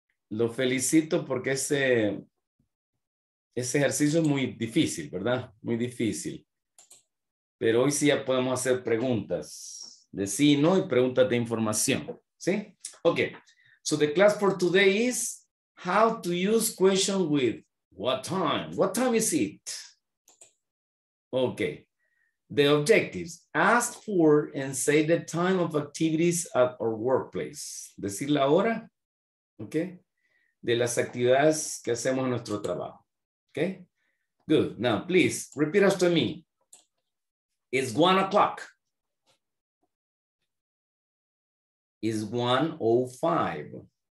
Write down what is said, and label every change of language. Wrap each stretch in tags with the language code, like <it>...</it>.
<es>Lo felicito porque ese ejercicio es muy difícil, ¿verdad? Muy difícil. Pero hoy sí ya podemos hacer preguntas de sí y no y preguntas de información, ¿sí?</es> <en>Okay. So the class for today is how to use question with what time? What time is it? Okay. The objectives. Ask for and say the time of activities at our workplace.</en> <es>Decir la hora, okay? De las actividades que hacemos en nuestro trabajo.</es> <en>Okay? Good. Now, please, repeat after me. It's 1 o'clock. It's 1:05.</en>